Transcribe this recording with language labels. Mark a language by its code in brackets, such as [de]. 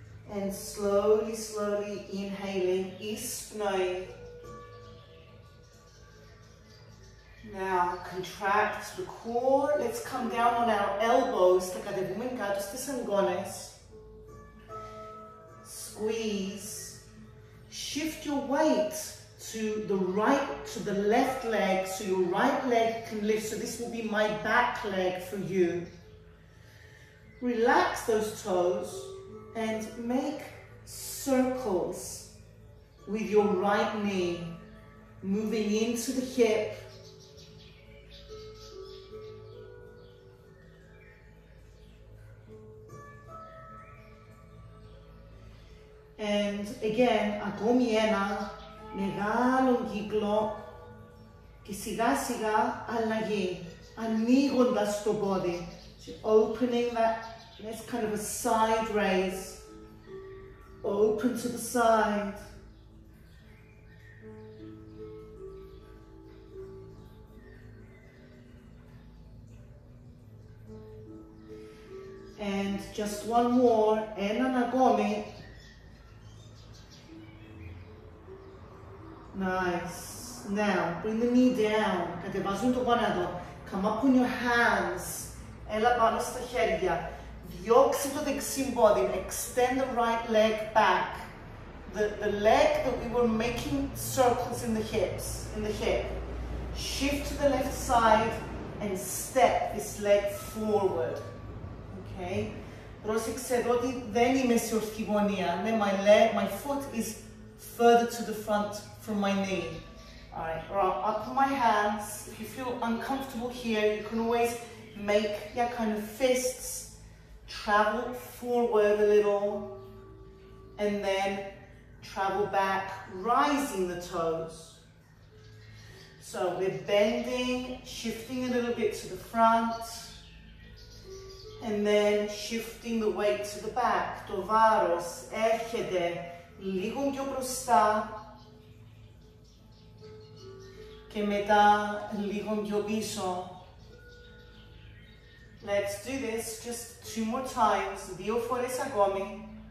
[en] And slowly, slowly inhaling, ispnoi. Now contract the core. Let's come down on our elbows. [el] Τα κατεβούμε κάτω στις αγκώνες. [en] Squeeze. Shift your weight to the right, to the left leg, so your right leg can lift. So this will be my back leg for you. Relax those toes. And make circles with your right knee, moving into the hip. And again, [el] ακόμη ένα μεγάλο κύκλο και σιγά σιγά αλλαγή, ανοίγοντας το body. [en] So opening that, that's kind of a side raise. Open to the side. And just one more. [el] Έναν ακόμη. [en] Nice. Now, bring the knee down. [el] Κατεβάζουν το γόνατο. [en] Come up on your hands. [el] Έλα πάνω στα χέρια. Διώξε το δεξί πόδι, [en] extend the right leg back. The leg that we were making circles in the hips, in the hip. Shift to the left side and step this leg forward. Okay. [el] Πρόσεξε εδώ ότι δεν είμαι σε ορθή γωνία. [en] Ναι, my leg, my foot is further to the front from my knee. Alright, or I'll up my hands. If you feel uncomfortable here, you can always make your kind of fists. Travel forward a little and then travel back, rising the toes. So we're bending, shifting a little bit to the front and then shifting the weight to the back. [el] Το βάρος έρχεται λίγο πιο μπροστά και μετά λίγο πιο πίσω. [en] Let's do this just two more times. [el] Δύο φορές ακόμη.